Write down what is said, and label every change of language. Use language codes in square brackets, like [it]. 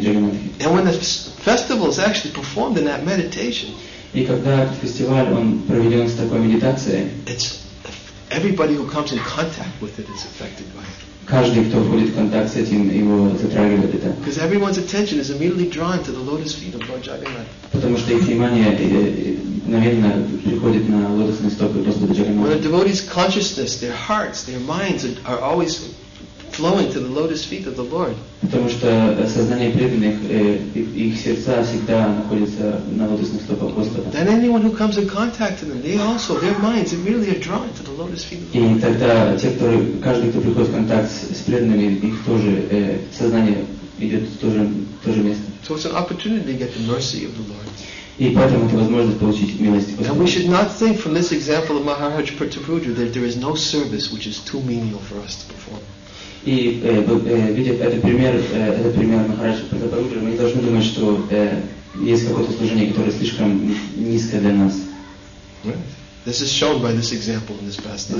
[en] And when the festival is actually performed in that meditation, everybody who comes in contact with it is affected by it. [ru] Каждый, кто входит в контакт с этим, его затрагивает это. [en] Because everyone's attention is immediately drawn to the lotus feet of Lord Jagannath. [ru] Потому что их внимание намеренно приходит на лотосные стопы Господа Джаганатха. [en] When a devotee's consciousness, their hearts, their minds are always flowing to the lotus feet of the Lord. [ru] Потому что сознание преданных, их сердца всегда находятся на лотосных стопах Господа. [en] Then anyone who comes in contact with them, they also, their minds immediately are drawn to the lotus feet of the [ru] Lord. И тогда те, кто, каждый, кто приходит в контакт с преданными, их тоже сознание идет в то же место. [en] So it's an opportunity to get the mercy of the Lord. [ru] И поэтому это возможность получить милость Господа. [en] And we should not think from this example of Maharaj Pratapudra that there is no service which is too menial for us to perform. [ru] И видя этот пример Махараджа Пратапарудры, мы не должны думать, что есть какое-то служение, которое слишком низкое для нас. [en] This is shown by this example in this past time.